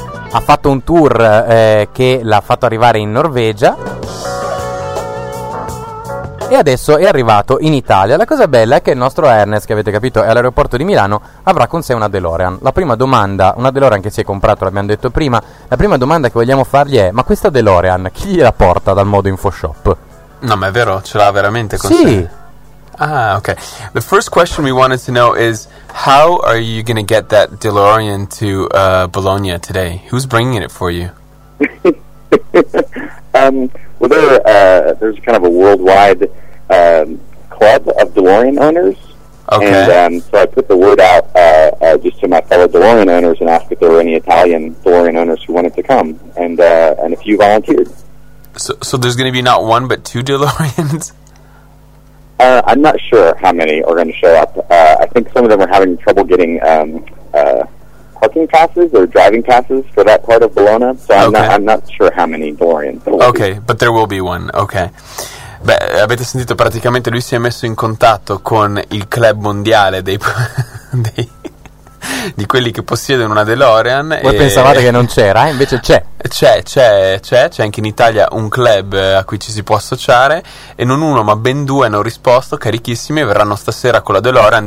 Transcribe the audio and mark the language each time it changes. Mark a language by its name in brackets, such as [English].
[Italian] Ha fatto un tour che l'ha fatto arrivare in Norvegia e adesso è arrivato in Italia. La cosa bella è che il nostro Ernest, che avete capito è all'aeroporto di Milano, avrà con sé una DeLorean. La prima domanda, una DeLorean che si è comprato, l'abbiamo detto prima, la prima domanda che vogliamo fargli è: ma questa DeLorean chi gliela porta dal Modo Info Shop? No, ma è vero, ce l'ha veramente con sì. sé? Ah, ok. [English] The first question we wanted to know is how are you going to get that DeLorean to Bologna today? Who's bringing it for you? Well, there's kind of a worldwide club of DeLorean owners. Okay. And so I put the word out just to my fellow DeLorean owners and asked if there were any Italian DeLorean owners who wanted to come. And a few volunteered. So there's going to be not one, but two DeLoreans? I'm not sure how many are going to show up. I think some of them are having trouble getting parking passes or driving passes for that part of Bologna, so I'm not sure how many DeLoreans there will okay, be. But there will be one, okay. [Italian] Beh, avete sentito, praticamente lui si è messo in contatto con il club mondiale di quelli che possiedono una DeLorean. Voi pensavate che non c'era, invece c'è. C'è anche in Italia un club a cui ci si può associare, e non uno ma ben due hanno risposto, carichissimi, e verranno stasera con la DeLorean.